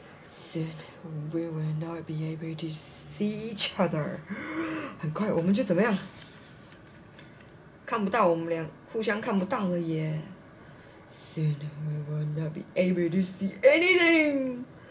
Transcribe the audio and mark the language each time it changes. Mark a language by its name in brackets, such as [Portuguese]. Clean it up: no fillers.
[English] Soon we will not be able to see each other. [Chinese] 很快我们就怎么样？看不到我们俩，互相看不到了耶。 [English] Soon we will not be able to see anything.